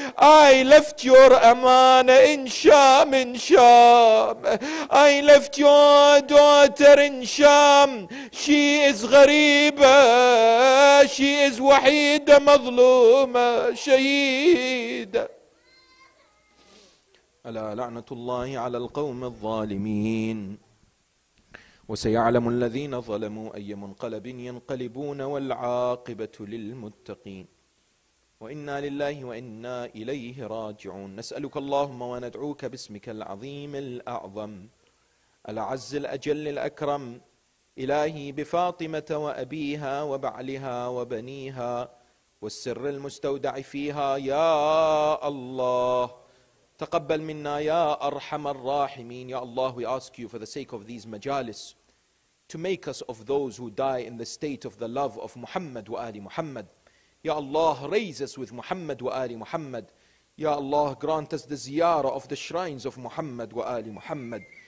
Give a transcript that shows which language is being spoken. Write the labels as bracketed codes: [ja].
[en] I left your amana in Sham, in Sham. I left your daughter in Sham. She is ghareeba. She is wahida, mazluma, shaheeda. [ar] ألا لعنة الله على القوم الظالمين وسيعلم الذين ظلموا أي منقلب ينقلبون والعاقبة للمتقين وإنا لله وإنا إليه راجعون نسألك اللهم وندعوك باسمك العظيم الأعظم العز الأجل الأكرم إلهي بفاطمة وأبيها وبعلها وبنيها والسر المستودع فيها يا الله تقبل منا يا أرحم الراحمين. [en] Ya Allah, we ask you for the sake of these majalis to make us of those who die in the state of the love of Muhammad wa Ali Muhammad. Ya Allah, raise us with Muhammad wa Ali Muhammad. Ya Allah, grant us the ziyara of the shrines of Muhammad wa Ali Muhammad.